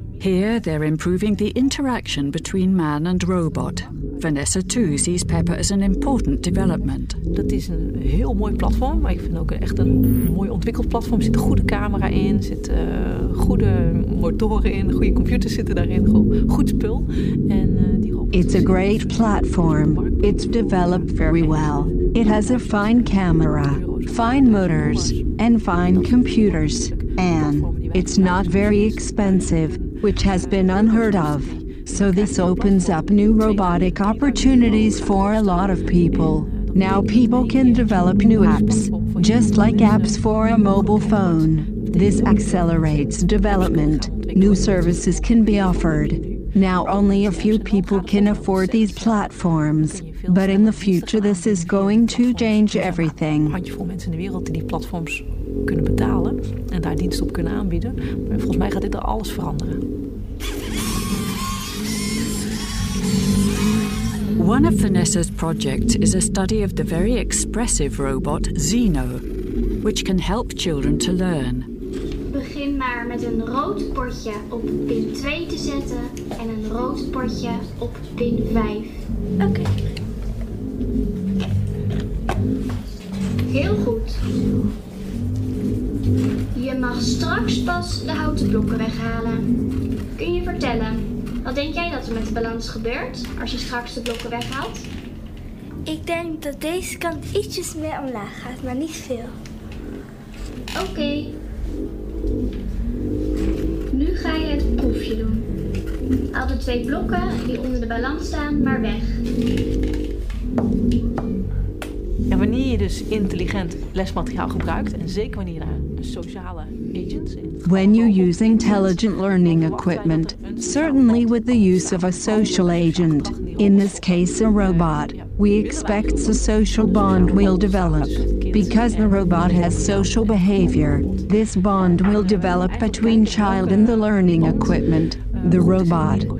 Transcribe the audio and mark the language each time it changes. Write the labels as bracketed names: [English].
[English] Here, they're improving the interaction between man and robot. Vanessa too sees Pepper as an important development. [Dutch] Dat is een heel mooi platform, maar ik vind ook echt een mooi ontwikkeld platform. Er zit een goede camera in, er zit goede motoren in, goede computers zitten daarin, goed spul. En [English] It's a great platform. It's developed very well. It has a fine camera, fine motors, and fine computers. And it's not very expensive, which has been unheard of. So this opens up new robotic opportunities for a lot of people. Now people can develop new apps, just like apps for a mobile phone. This accelerates development. New services can be offered. Now only a few people can afford these platforms. But in the future this is going to change everything. [Dutch] Een handjevol mensen in de wereld die platforms kunnen betalen en daar diensten op kunnen aanbieden. Maar volgens mij gaat dit er alles veranderen. [English] One of Vanessa's projects is a study of the very expressive robot Zeno, which can help children to learn. [Dutch] Begin maar met een rood potje op pin 2 te zetten en een rood potje op pin 5. Oké. Heel goed. Je mag straks pas de houten blokken weghalen. Kun je vertellen, wat denk jij dat er met de balans gebeurt als je straks de blokken weghaalt? Ik denk dat deze kant ietsjes meer omlaag gaat, maar niet veel. Oké. Nu ga je het proefje doen. Haal de twee blokken die onder de balans staan maar weg. Ja, wanneer je dus intelligent lesmateriaal gebruikt, en zeker wanneer daar sociale agents in. [English] When you use intelligent learning equipment, certainly with the use of a social agent, in this case a robot, we expect a social bond will develop. Because the robot has social behavior, this bond will develop between child and the learning equipment, the robot.